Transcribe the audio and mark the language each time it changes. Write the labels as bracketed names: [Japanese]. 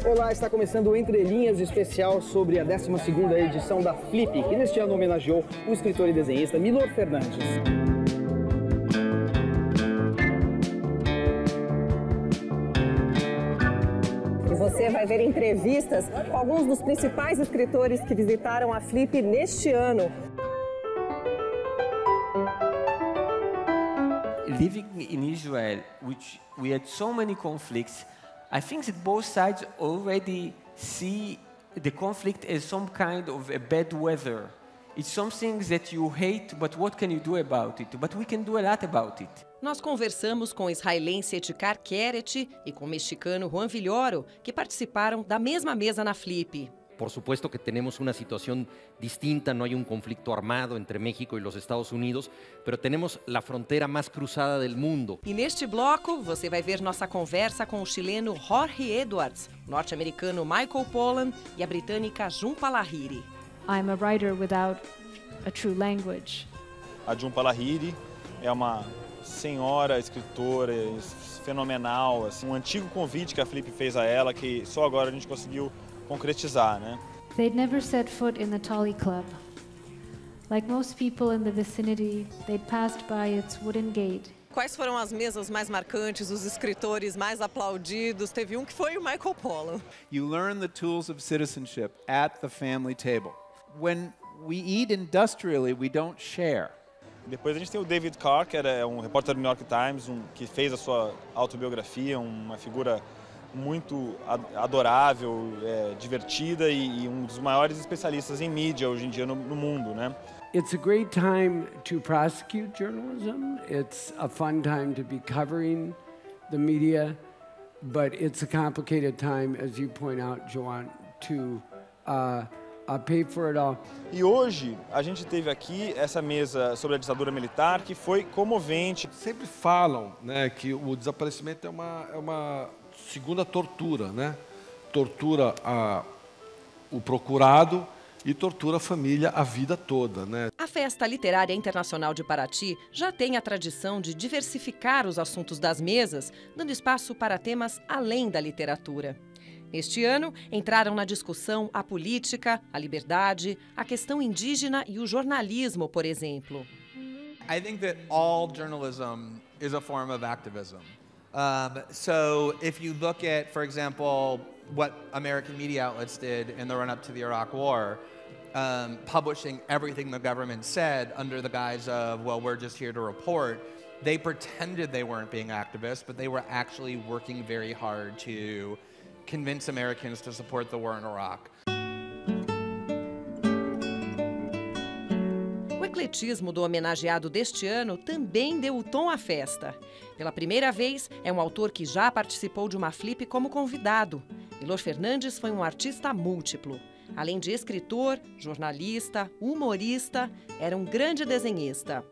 [Portuguese] está começando o Entrelinhas especial sobre a 12ª edição da Flip, que neste ano homenageou o escritor e desenhista Milor Fernandes. Você vai ver entrevistas com alguns dos principais escritores que visitaram a Flip neste ano. [English] Living in Israel, which we had so many conflicts, I think that both sides already see the conflict as some kind of a bad weather. It's something that you hate, but what can you do about it? But we can do a lot about it. [Portuguese] Nós conversamos com o israelense Etgar Keret e com o mexicano Juan Villoro, que participaram da mesma mesa na Flip. [Spanish] Por supuesto que tenemos una situación distinta, no hay un conflicto armado entre México y los Estados Unidos, pero tenemos la frontera más cruzada del mundo. [Portuguese] E neste bloco, você vai ver nossa conversa com o chileno Jorge Edwards, o norte-americano Michael Pollan e a britânica Jhumpa Lahiri. [English] I'm a writer without a true language. [Portuguese] A Jhumpa Lahiri é uma senhora escritora fenomenal, assim, um antigo convite que a Flip fez a ela que só agora a gente conseguiu concretizar, né? [English] They'd never set foot in the Tully Club. Like most people in the vicinity, they'd passed by its wooden gate. [Portuguese] Quais foram as mesas mais marcantes, os escritores mais aplaudidos? Teve um que foi o Michael Pollan. [English] You learn the tools of citizenship at the family table. When we eat industrially, we don't share. [Portuguese] Depois a gente tem o David Carr, que era um repórter do New York Times, que fez a sua autobiografia, uma figura muito adorável, divertida e um dos maiores especialistas em mídia hoje em dia no mundo, né? [English] It's a great time to prosecute journalism. It's a fun time to be covering the media, but it's a complicated time, as you point out, Joan, to pay for it all. [Portuguese] E hoje a gente teve aqui essa mesa sobre a ditadura militar que foi comovente. Sempre falam, né, que o desaparecimento é uma segunda tortura, né? Tortura o procurado e tortura a família a vida toda, né? A Festa Literária Internacional de Paraty já tem a tradição de diversificar os assuntos das mesas, dando espaço para temas além da literatura. Neste ano, entraram na discussão a política, a liberdade, a questão indígena e o jornalismo, por exemplo. [English] I think that all journalism is a form of activism. So if you look at, for example, what American media outlets did in the run-up to the Iraq War, publishing everything the government said under the guise of, well, we're just here to report, they pretended they weren't being activists, but they were actually working very hard to convince Americans to support the war in Iraq. [Portuguese] O ecletismo do homenageado deste ano também deu o tom à festa. Pela primeira vez, é um autor que já participou de uma Flip como convidado. Milor Fernandes foi um artista múltiplo. Além de escritor, jornalista, humorista, era um grande desenhista.